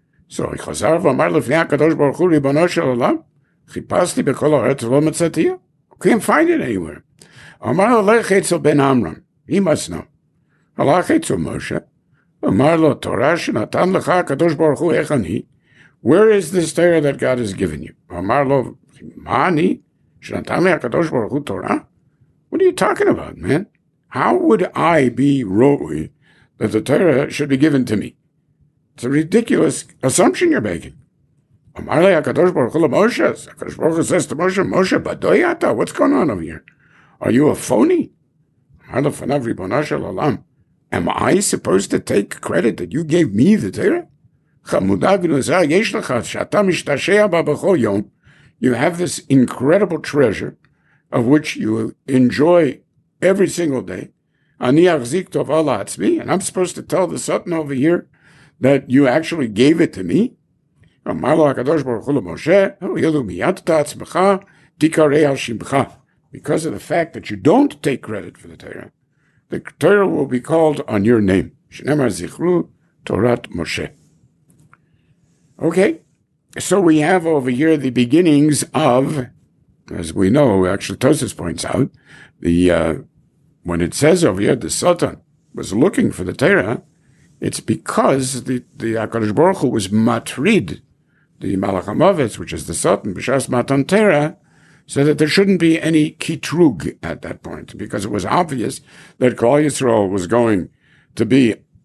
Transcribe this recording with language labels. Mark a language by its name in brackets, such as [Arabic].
[Hebrew] So he חזר ואמר לפני הקדוש ברוך הוא, ריבונו של עולם, חיפשתי בכל הארץ ולא מצאתי, [English] can't find it anywhere. [Hebrew] אמר לו, לך אצל בן אמרם, [English] he must know. [Hebrew] הלך אצל משה, אמר לו, תורה שנתן לך הקדוש ברוך הוא, איך אני? [English] Where is this Torah that God has given you? [Hebrew] אמר לו, מה אני? שנתן לי הקדוש ברוך הוא תורה? [English] What are you talking about, man? How would I be ראוי that the Torah should be given to me? It's a ridiculous assumption you're making. [Hebrew] אמר לי הקדוש ברוך הוא למשה, הקדוש ברוך הוא [English] says to Moshe, Moshe, [Hebrew] בדוי אתה, [English] what's going on over here? Are you a phony? [Hebrew] אמר לפניו ריבונה של עולם, [English] am I supposed to take credit that you gave me the Torah? [Hebrew] חמודה גנוזה יש לך שאתה משתשע בה בכל יום, [English] you have this incredible treasure of which you enjoy every single day. [Hebrew] אני אחזיק טובה לעצמי, [English] and I'm supposed to tell the Sutton over here that you actually gave it to me. [Hebrew] אמר לו הקדוש ברוך הוא למשה, הילו מיד את עצמך, תיקרא על שמך. [English] Because of the fact that you don't take credit for the Torah, the Torah will be called on your name. [Hebrew] שנאמר זכרו, תורת משה. [English] Okay, so we have over here the beginnings of, as we know, actually Tosis points out, when it says over here the Satan was looking for the Torah, it's because the HaKadosh Baruch Hu was matrid, the Malach HaMavetz, which is the Satan, b'shas matan Torah, so that there shouldn't be any kitrug at that point, because it was obvious that Kol Yisrael was going to be